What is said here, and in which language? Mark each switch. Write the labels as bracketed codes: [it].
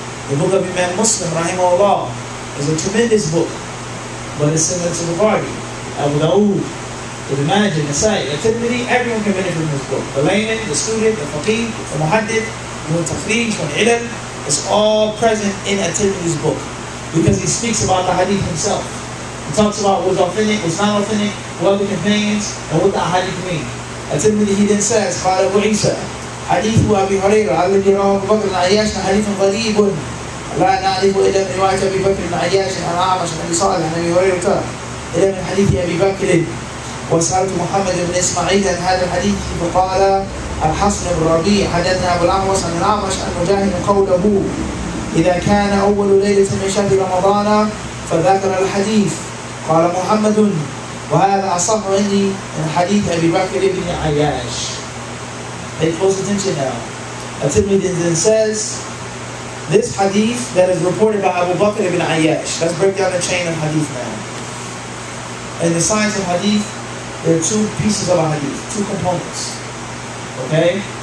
[en] The book of Imam Muslim, rahimahullah, is a tremendous book, but it's similar to Bukhari, Abu Dawood, the Imam, the Sa'id, the Tirmidhi, everyone can benefit from this book. The layman, the student, the faqih, the muhaddith, the mutafreej, the ilm, it's all present in a Tirmidhi's book. Because he speaks about the hadith himself. He talks about what's authentic, what's not authentic, who are the companions, and what the hadith mean. A Tirmidhi, he then says, Qala Abu Isa, [ar] حديث أبي هريرة الذي رواه أبو بكر عن عياش حديث غريب لا نعرف إلا من رواية أبي بكر عن عياش عن أعمش عن أبي صالح عن أبي هريرة إلا من حديث أبي بكر. وسألت محمد بن إسماعيل عن هذا الحديث فقال الحسن بن ربيع حدثنا أبو الأحوص عن الأعمش عن مجاهد قوله إذا كان أول ليلة من شهر رمضان فذكر الحديث. قال محمد وهذا أصح عندي من حديث أبي بكر بن عياش. [en] Pay close attention now. At-Tirmidhi then says, this hadith that is reported by Abu Bakr ibn Ayyash. Let's break down the chain of hadith now. In the science of hadith, there are two pieces of a hadith, two components. Okay?